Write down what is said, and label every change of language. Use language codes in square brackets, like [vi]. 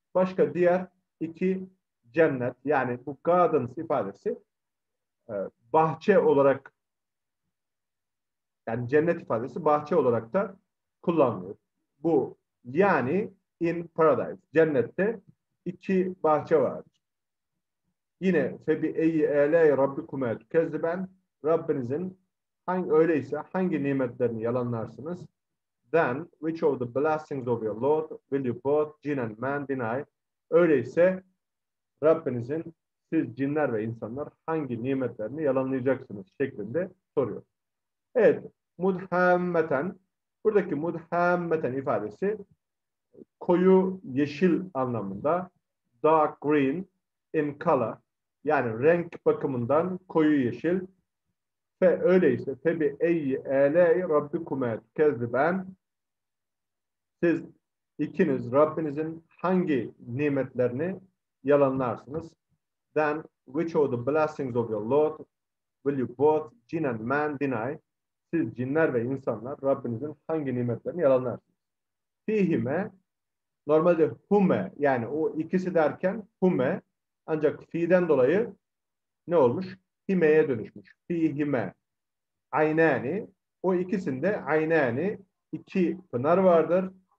[tr] Başka diğer iki cennet, yani bu gardens ifadesi bahçe olarak, yani cennet ifadesi bahçe olarak da kullanılıyor. Bu yani [en] in paradise, [tr] cennette iki bahçe var. Yine [ar] febi eyyi eley rabbikume tükezziben, [tr] Rabbinizin öyleyse hangi nimetlerini yalanlarsınız? [en] Then which of the blessings of your Lord will you both jinn and man deny? [tr] Öyleyse Rabbinizin siz cinler ve insanlar hangi nimetlerini yalanlayacaksınız şeklinde soruyor. Evet. Mudhammeten, buradaki mudhammeten ifadesi koyu yeşil anlamında, [en] dark green in color, [tr] yani renk bakımından koyu yeşil. Ve öyleyse [ar] tabi eyyi eley rabbikume kezziben, [tr] siz ikiniz Rabbinizin hangi nimetlerini yalanlarsınız? [en] Then which of the blessings of your Lord will you both jinn and man deny? [tr] Siz cinler ve insanlar Rabbinizin hangi nimetlerini yalanlarsınız? Fihime, normalde hume, yani o ikisi derken hume, ancak fi'den dolayı ne olmuş? Hime'ye dönüşmüş. Fihime, aynani, o ikisinde aynani, iki pınar vardır.